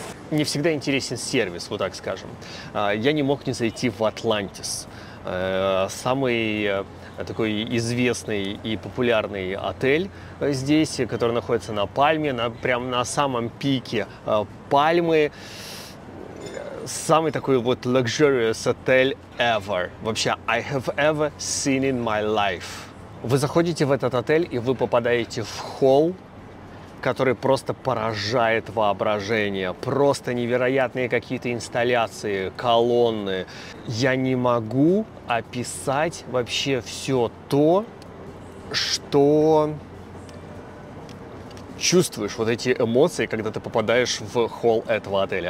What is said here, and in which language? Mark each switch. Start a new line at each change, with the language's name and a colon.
Russian: Мне всегда интересен сервис, вот так скажем. Я не мог не зайти в Атлантис. Самый такой известный и популярный отель здесь, который находится на Пальме, прямо на самом пике Пальмы. Самый такой вот luxurious отель ever. Вообще,
English: I have ever seen in my life.
Russian: Вы заходите в этот отель, и вы попадаете в холл, который просто поражает воображение. Просто невероятные какие-то инсталляции, колонны. Я не могу описать вообще все то, что чувствуешь, вот эти эмоции, когда ты попадаешь в холл этого отеля.